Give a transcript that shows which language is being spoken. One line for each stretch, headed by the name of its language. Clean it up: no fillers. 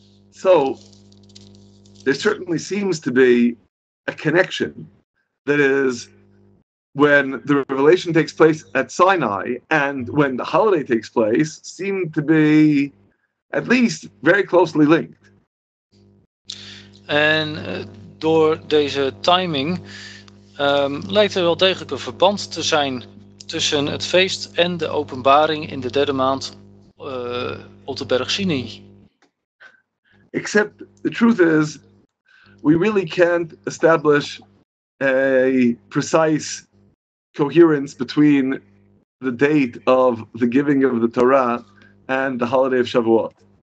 English: So, there certainly seems to be a connection. That is, when the revelation takes place at Sinai and when the holiday takes place, seem to be at least very closely linked.
Dutch: En door deze timing lijkt er wel degelijk een verband te zijn tussen het feest en de openbaring in de derde maand op de berg Sinai.
English: Except the truth is, we really can't establish a precise coherence between the date of the giving of the Torah and the holiday of Shavuot.